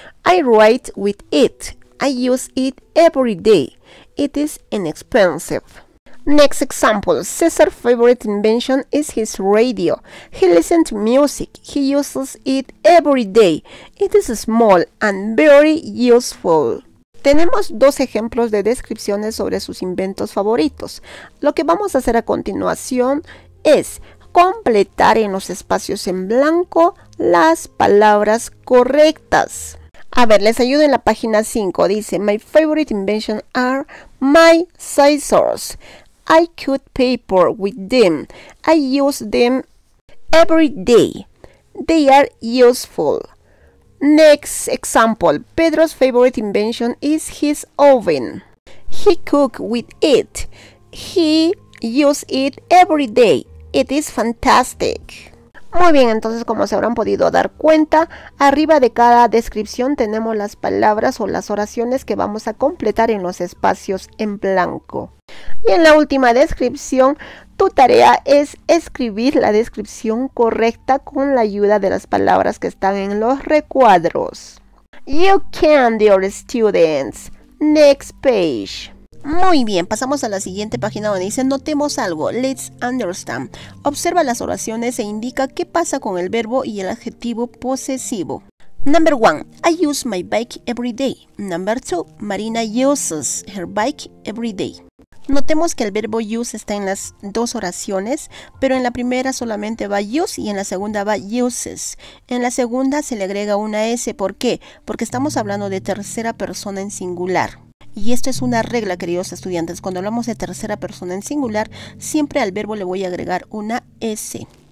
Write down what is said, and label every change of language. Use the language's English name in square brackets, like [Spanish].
[English] I write with it. I use it every day. It is inexpensive. Next example, Cesar's favorite invention is his radio. He listens to music. He uses it every day. It is small and very useful. [Spanish] Tenemos dos ejemplos de descripciones sobre sus inventos favoritos. Lo que vamos a hacer a continuación es completar en los espacios en blanco las palabras correctas. A ver, les ayudo en la página 5. Dice, [English] my favorite invention are my scissors. I cut paper with them. I use them every day. They are useful. Next example. Pedro's favorite invention is his oven. He cooks with it. He uses it every day. It is fantastic. [Spanish] Muy bien, entonces como se habrán podido dar cuenta, arriba de cada descripción tenemos las palabras o las oraciones que vamos a completar en los espacios en blanco. Y en la última descripción, tu tarea es escribir la descripción correcta con la ayuda de las palabras que están en los recuadros. [English] You can, dear students. Next page. [Spanish] Muy bien, pasamos a la siguiente página donde dice, notemos algo, [English] let's understand. [Spanish] Observa las oraciones e indica qué pasa con el verbo y el adjetivo posesivo. [English] Number 1. I use my bike every day. Number 2. Marina uses her bike every day. [Spanish] Notemos que el verbo use está en las dos oraciones, pero en la primera solamente va use y en la segunda va uses. En la segunda se le agrega una S, ¿por qué? Porque estamos hablando de tercera persona en singular. Y esto es una regla, queridos estudiantes. Cuando hablamos de tercera persona en singular, siempre al verbo le voy a agregar una S.